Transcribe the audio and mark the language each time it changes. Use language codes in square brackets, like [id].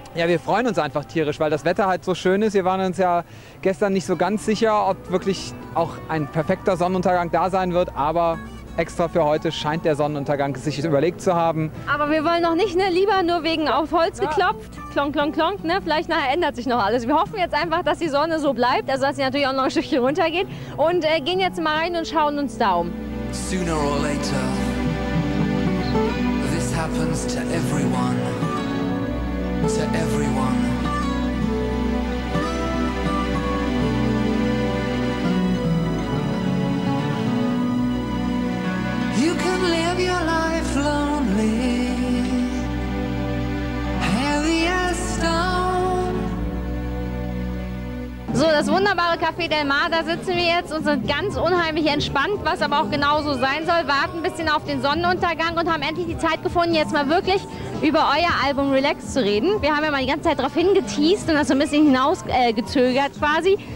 [de] Ja, wir freuen uns einfach tierisch, weil das Wetter halt so schön ist. Wir waren uns ja gestern nicht so ganz sicher, ob wirklich auch ein perfekter Sonnenuntergang da sein wird, aber extra für heute scheint der Sonnenuntergang sich überlegt zu haben. Aber wir wollen noch nicht, ne? Lieber nur wegen auf Holz geklopft. Klonk, klonk, klonk. Ne? Vielleicht nachher ändert sich noch alles. Wir hoffen jetzt einfach, dass die Sonne so bleibt, also dass sie natürlich auch noch ein Stückchen runtergeht. Und gehen jetzt mal rein und schauen uns da um. [en] Sooner or later, this happens to everyone. To everyone. You can live your life lonely, heavy as stone. [de] So, das wunderbare Café del Mar, da sitzen wir jetzt und sind ganz unheimlich entspannt, was aber auch genauso sein soll. Warten ein bisschen auf den Sonnenuntergang und haben endlich die Zeit gefunden, jetzt mal wirklich über euer Album Relax zu reden. Wir haben ja mal die ganze Zeit darauf hingeteased und das so ein bisschen hinausgezögert quasi.